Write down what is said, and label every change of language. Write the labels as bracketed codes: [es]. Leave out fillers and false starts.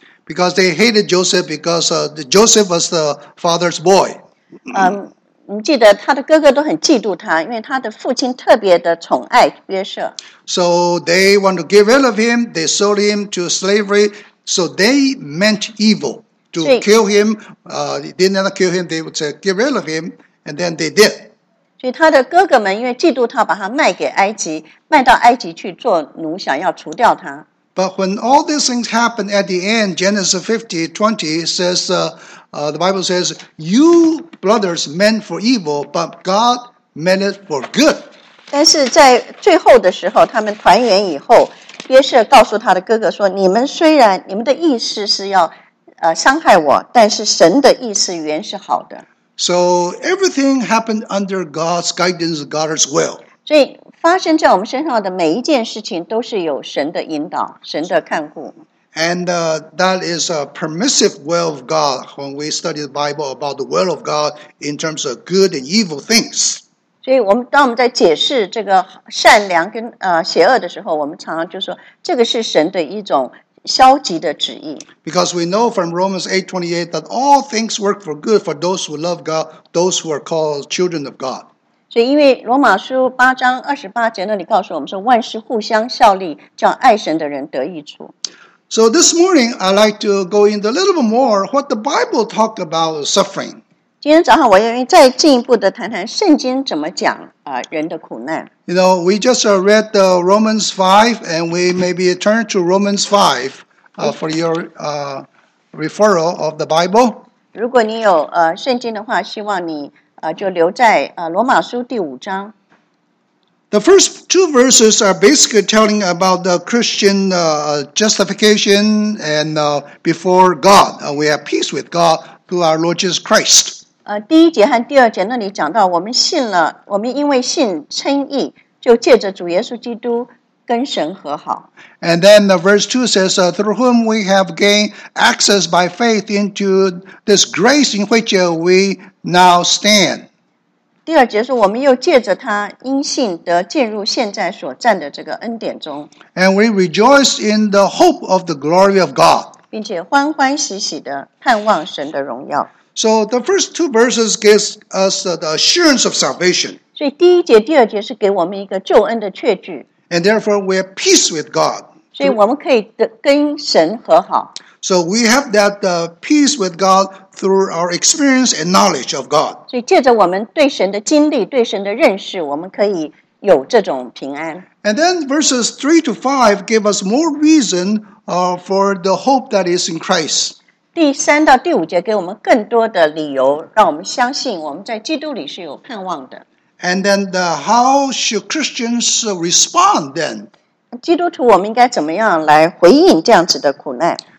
[en] Because they hated Joseph because Joseph was the father's boy. [zh] 你记得他的哥哥都很嫉妒他，因为他的父亲特别的宠爱约瑟。 [en] So they want to get rid of him, they sold him to slavery, so they meant evil. To kill him, they did not kill him, they would say, get rid of him, and then they did. [zh] 所以他的哥哥们因为嫉妒他把他卖给埃及，卖到埃及去做奴，想要除掉他。 [en] But when all these things happen at the end, Genesis 50:20 says, the Bible says, you brothers meant for evil, but God meant it for good. [zh] 但是在最后的时候，他们团圆以后，约瑟告诉他的哥哥说，你们虽然，你们的意思是要伤害我，但是神的意思原是好的。 [en] So everything happened under God's guidance, God's will. [zh] 所以发生在我们身上的每一件事情都是有神的引导，神的看顾。 [en] And that is a permissive will of God when we study the Bible about the will of God in terms of good and evil things. [zh] 所以当我们在解释这个善良跟邪恶的时候，我们常常就说这个是神的一种消极的旨意。 [en] Because we know from Romans 8:28 that all things work for good for those who love God, those who are called children of God. [zh] 所以因为罗马书八章二十八节那里告诉我们说，万事互相效力，叫爱神的人得益处。 [en] So this morning, I'd like to go into a little bit more what the Bible talk about suffering. [zh] 今天早上我愿意再进一步的谈谈圣经怎么讲人的苦难。 [en] You know, we just read Romans 5, and we maybe turn to Romans 5 for your referral of the Bible. [zh] 如果你有圣经的话，希望你就留在罗马书第五章。 [en] The first two verses are basically telling about the Christian justification and before God. We have peace with God through our Lord Jesus Christ. [zh] 第一节和第二节那里讲到我们信了，我们因为信称义。就借着主耶稣基督跟神和好。 [en] And then the verse 2 says, through whom we have gained access by faith into this grace in which we now stand. [zh] 第二节说我们又借着他因信得进入现在所站的这个恩典中。 [en] And we rejoice in the hope of the glory of God. [zh] 并且欢欢喜喜地盼望神的荣耀。 [en] So the first two verses gives us the assurance of salvation. [zh] 所以第一节、第二节是给我们一个救恩的确据。 [en] And therefore we have peace with God. [zh] 所以我们可以跟神和好。 [en] So we have that peace with God through our experience and knowledge of God. [zh] 所以借着我们对神的经历、对神的认识，我们可以有这种平安。 [en] And then verses 3 to 5 give us more reason for the hope that is in Christ. [zh] 第三到第五节给我们更多的理由，让我们相信我们在基督里是有盼望的。 [en] And then how should Christians respond then? [zh] 基督徒我们应该怎么样来回应这样子的苦难？